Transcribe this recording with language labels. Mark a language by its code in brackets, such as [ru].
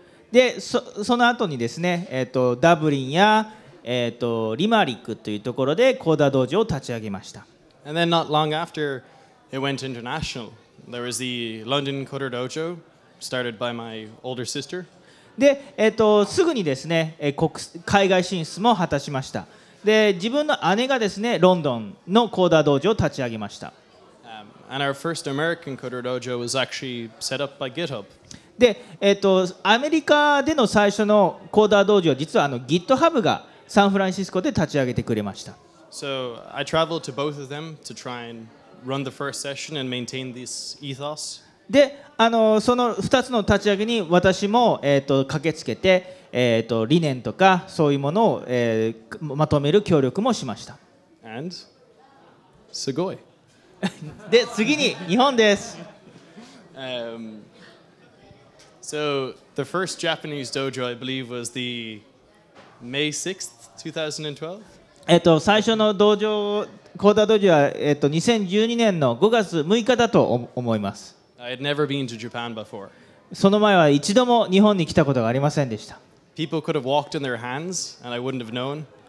[ja] で、その後にですね、ダブリンや、リマリックというところでCoderDojoを立ち上げました。 [en] And then not long after, it went international. There was the London CoderDojo, started by my older sister. [ja] で、すぐにですね、海外進出も果たしました。で、自分の姉がですね、ロンドンのCoderDojoを立ち上げました。 [en] And our first American CoderDojo was actually set up by GitHub. [ja] で、アメリカでの最初のCoderDojo は実はGitHub がサンフランシスコで立ち上げてくれました。 [en] So I traveled to both of them to try andRun the first session and maintain this ethos. [ja] で、その2つの立ち上げに私も、駆けつけて、理念とかそういうものを、まとめる協力もしました。 And? すごい。で、次に日本です。 [en] So, the first Japanese dojo, I believe, was the May 6th, 2012? [ja] 最初の道場CoderDojoは、2012年の5月6日だと思います。 [en] I had never been to Japan before. [ja] その前は一度も日本に来たことがありませんでした。 [en] People could have walked in their hands and I wouldn't have known.